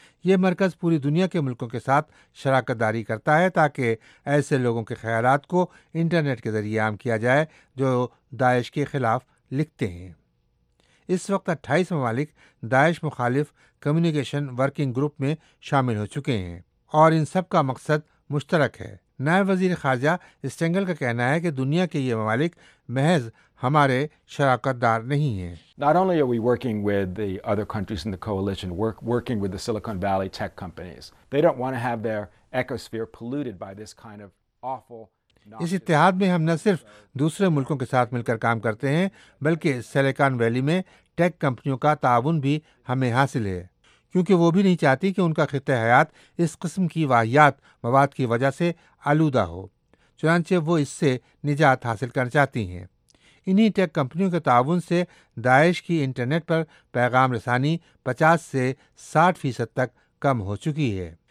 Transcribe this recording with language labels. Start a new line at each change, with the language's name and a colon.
Urdu: یہ مرکز پوری دنیا کے ملکوں کے ساتھ شراکت داری کرتا ہے تاکہ ایسے لوگوں کے خیالات کو انٹرنیٹ کے ذریعے عام کیا جائے جو داعش کے خلاف لکھتے ہیں۔ اس وقت 28 ممالک داعش مخالف کمیونیکیشن ورکنگ گروپ میں شامل ہو چکے ہیں، اور ان سب کا مقصد مشترک ہے۔ نائب وزیر خارجہ اسٹینگل کا کہنا ہے کہ دنیا کے یہ ممالک محض ہمارے شراکت دار نہیں ہیں۔
English: Not only are we working with the other countries in the coalition, working with the Silicon Valley tech companies. They don't want to have their ecosphere polluted by this kind of awful...
Urdu: اس اتحاد میں ہم نہ صرف دوسرے ملکوں کے ساتھ مل کر کام کرتے ہیں بلکہ سلیکان ویلی میں ٹیک کمپنیوں کا تعاون بھی ہمیں حاصل ہے، کیونکہ وہ بھی نہیں چاہتی کہ ان کا خطہ حیات اس قسم کی واہیات مواد کی وجہ سے آلودہ ہو، چنانچہ وہ اس سے نجات حاصل کرنا چاہتی ہیں۔ انہی ٹیک کمپنیوں کے تعاون سے داعش کی انٹرنیٹ پر پیغام رسانی 50-60% تک کم ہو چکی ہے۔